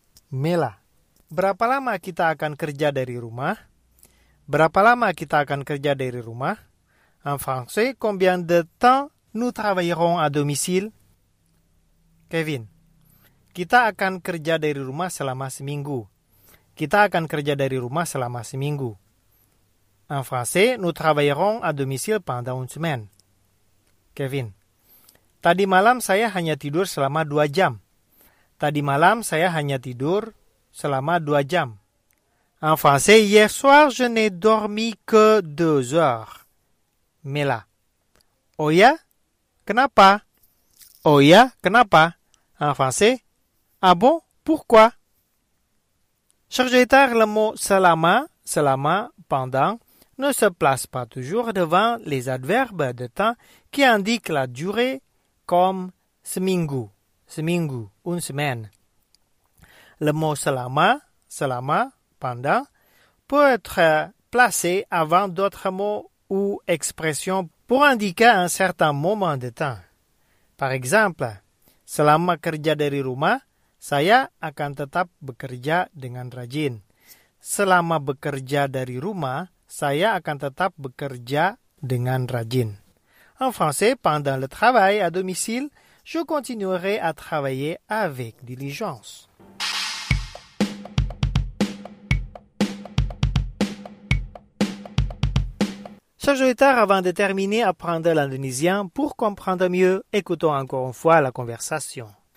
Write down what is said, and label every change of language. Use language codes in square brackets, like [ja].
[id] Mela. Berapa lama kita akan kerja dari rumah? Berapa lama kita akan kerja dari rumah? [fr] En français, combien de temps nous travaillerons à domicile? Kevin. [id] Kita akan kerja dari rumah selama seminggu. Kita akan kerja dari rumah selama seminggu. [fr] En français, nous travaillerons à domicile pendant une semaine. Kevin. [id] Tadi malam saya hanya tidur selama 2 jam. Tadi malam saya hanya tidur selama 2 jam. [fr] En français, hier soir je n'ai dormi que 2 heures. [id] Mela. Oh ya? Kenapa? Oh ya, kenapa? [fr] En français, ah bon? Pourquoi? Chers auditeurs, le mot selama, selama, pendant, ne se place pas toujours devant les adverbes de temps qui indiquent la durée comme seminggu, seminggu, une semaine. Le mot selama, selama, pendant, peut être placé avant d'autres mots ou expressions pour indiquer un certain moment de temps. Par exemple, [id] selama kerja dari rumah, saya akan tetap bekerja dengan rajin. Selama bekerja dari rumah, saya akan tetap bekerja dengan rajin. [fr] En français, pendant le travail à domicile, je continuerai à travailler avec diligence. Chers auditeurs, avant de terminer, apprendre l'indonésien pour comprendre mieux, écoutons encore une fois la conversation.